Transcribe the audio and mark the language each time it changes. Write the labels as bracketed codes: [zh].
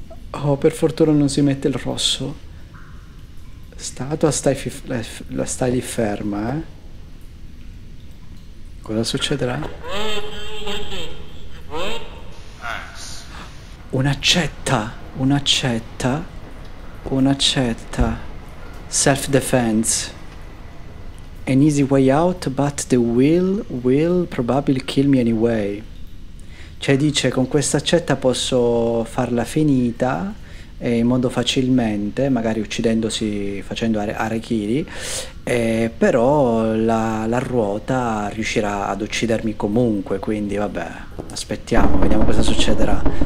[it] Oh, per fortuna non si mette il rosso. Statua, stai stai lì ferma, eh. Cosa succederà? Un'accetta, un'accetta, un'accetta. [en] Self-defense. An easy way out, but the will probably kill me anyway. [it] Cioè dice, con questa accetta posso farla finita e in modo facilmente, magari uccidendosi, facendo harakiri, però la ruota riuscirà ad uccidermi comunque, quindi vabbè, aspettiamo, vediamo cosa succederà.